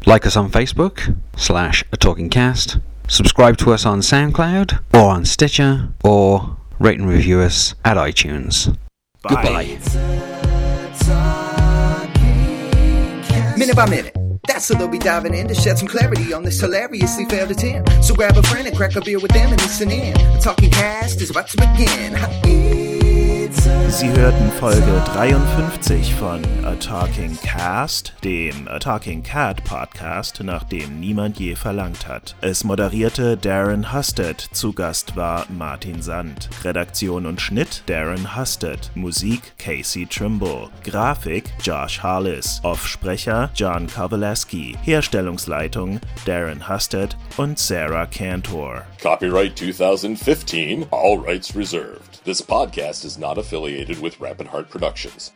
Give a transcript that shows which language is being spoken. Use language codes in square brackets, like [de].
[en] Like us on Facebook @A Talking Cast. Subscribe to us on SoundCloud or on Stitcher, or rate and review us at iTunes. Bye. Goodbye. Minute by minute. That's so they'll be diving in to shed some clarity on this hilariously failed attempt. So grab a friend and crack a beer with them and listen in. A Talking Cast is about to begin. [de] Sie hörten Folge 53 von A Talking Cast, dem A Talking Cat Podcast, nach dem niemand je verlangt hat. Es moderierte Darren Husted, zu Gast war Martin Sand. Redaktion und Schnitt Darren Husted, Musik Casey Trimble, Grafik Josh Hollis, Offsprecher John Kowalewski, Herstellungsleitung Darren Husted und Sarah Cantor. [en] Copyright 2015, all rights reserved. This podcast is not affiliated with Rapid Heart Productions.